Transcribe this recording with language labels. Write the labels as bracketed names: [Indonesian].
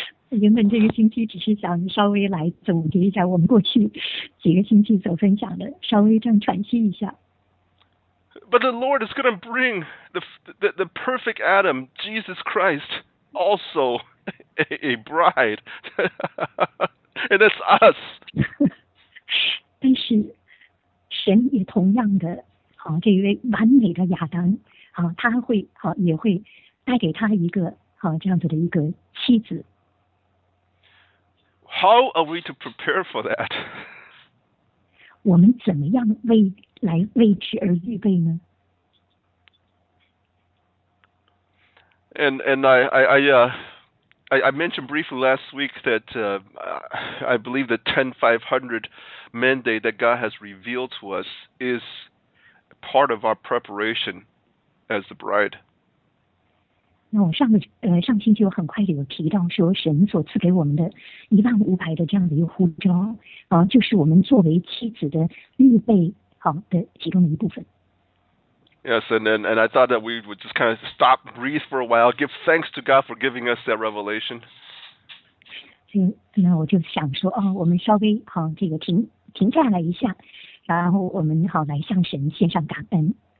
[Chinese] 原本这个星期只是想稍微来总结一下我们过去几个星期所分享的，稍微这样喘息一下。 [English] But the Lord is going to bring the perfect Adam, Jesus Christ, also a bride. And it's us. [Chinese] 但是神也同样的，这一位完美的亚当，他会，也会带给他一个，这样子的一个妻子。 [English] How are we to prepare for that? [Chinese] 我们怎么样为来为之而预备呢？ [English] And I mentioned briefly last week that I believe the 10-500 mandate that God has revealed to us is part of our preparation as the bride. [Chinese] 那我上个上星期我很快就有提到说，神所赐给我们的1500的这样的一个呼召啊，就是我们作为妻子的预备好的其中的一部分。 [English] Yes, and I thought that we would just kind of stop, breathe for a while, give thanks to God for giving us that revelation. [Chinese] 所以那我就想说啊，我们稍微好这个停下来一下，然后我们好来向神献上感恩。